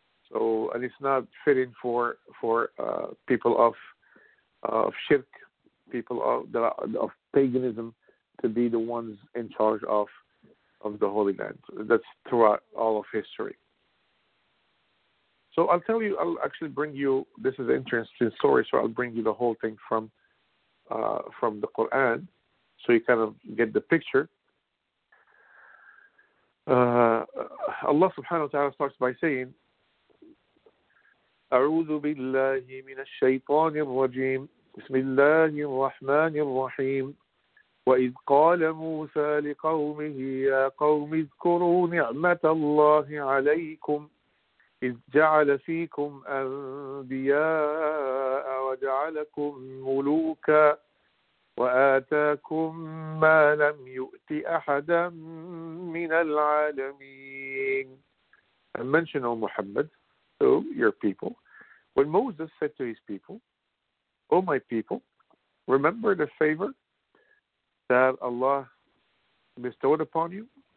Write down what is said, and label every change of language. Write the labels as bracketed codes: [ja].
[en] So, and it's not fitting for people of shirk, people of paganism, to be the ones in charge of the Holy Land. That's throughout all of history. So I'll tell you, I'll actually bring you, this is an interesting story, so I'll bring you the whole thing from the Quran, so you kind of get the picture. Allah subhanahu wa ta'ala starts by saying, [ar] أعوذ بالله من الشيطان الرجيم بسم الله الرحمن الرحيم وإذ قال موسى لقومه يا قوم اذكروا نعمة الله عليكم إذ جعل فيكم أنبياء وجعلكم ملوكا وآتاكم ما لم يؤت أحدا من العالمين. [en] And mention, O Muhammad, to your people, when Moses said to his people, O my people, remember the favor that Allah bestowed upon you.